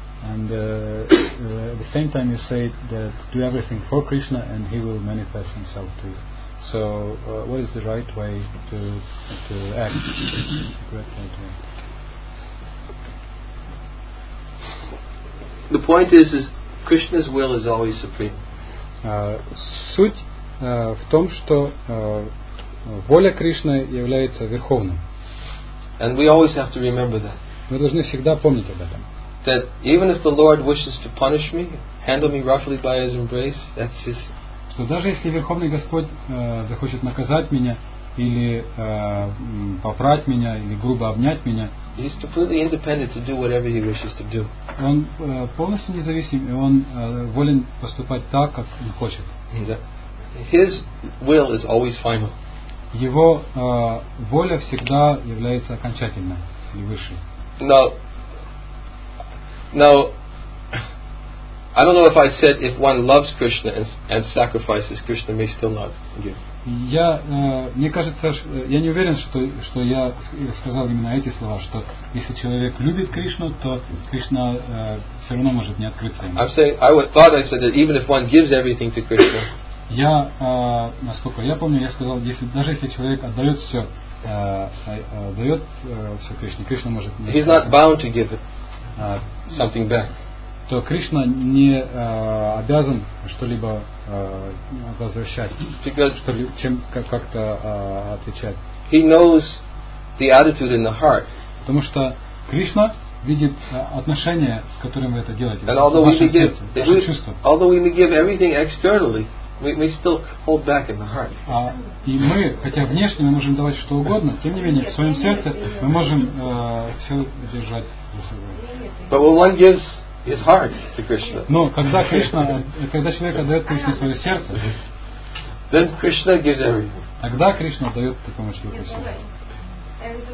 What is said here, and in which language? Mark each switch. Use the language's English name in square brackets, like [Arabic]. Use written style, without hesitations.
[English] And at the same time you say that do everything for Krishna and he will manifest himself to you. So what is the right way to act? Correct way to act? The point is Krishna's will is always supreme. [Russian] суть в том, что воля Кришны является верховной. [English] And we always have to remember that. [Russian] Мы должны всегда помнить об этом. [English] That even if the Lord wishes to punish me, handle me roughly by His embrace, that's His. [Russian] Что даже если Верховный Господь захочет наказать меня или попрать меня или грубо обнять меня, [English] He's completely independent to do whatever He wishes to do. [Russian] Он полностью независим и он волен поступать так, как он хочет. [English] His will is always final. [Russian] Его воля всегда является окончательной или высшей. [English] Now, I don't know if I said if one loves Krishna and sacrifices, Krishna may still not give. [Russian] Я мне кажется, я не уверен, что я сказал именно эти слова, что если человек любит Кришну, то Кришна все равно может не открыться ему. [English] I'm saying I would thought I said that even if one gives everything to Krishna. [Russian] Я, насколько я помню, я сказал, если человек отдает все, дает все Кришне, Кришна может. Не [English] He's not bound to give something back. [Russian] То Кришна не обязан что-либо возвращать, как-то отвечать. [English] He knows the attitude in the heart. [Russian] Потому что Кришна видит отношение, с которым вы это делаете. [English] And although we may give everything externally. We still hold back in the heart. [Russian] И мы, хотя внешне мы можем давать что угодно, тем не менее в своем сердце мы можем все держать за собой. [English] But when one gives his heart to Krishna, [Russian] но когда Кришна, когда человек отдает Кришне свое сердце, [English] then Krishna gives everything. [Russian] Тогда Кришна дает такому человеку все.